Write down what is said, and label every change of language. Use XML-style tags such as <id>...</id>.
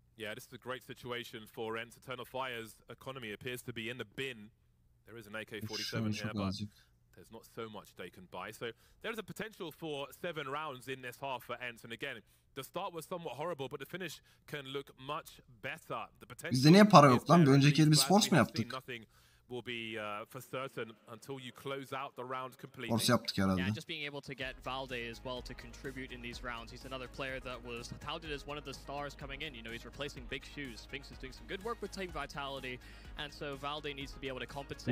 <en>Yeah, this is a great situation for ENCE. Eternal Fire's economy appears to be in the bin. There is an AK-47 here, but there's not so much they can buy. So there is a potential for 7 rounds in this half for ENCE. And again, the start was somewhat horrible, but the finish can look much better. The potential.</en> <tr>Bizde niye para yok lan? Bir önceki elimiz force mu yaptık?</tr> <en>will be for certain until you close out the round completely.</en> <tr>Orası yaptık herhalde.</tr> <en>Yeah, just being able to get Valde as well to contribute in these rounds. He's another player that was touted as one of the stars coming in. You know, he's replacing Big Shoes. Sphinx is doing some good work with Team Vitality. And so Valde needs to be able to compensate.</en>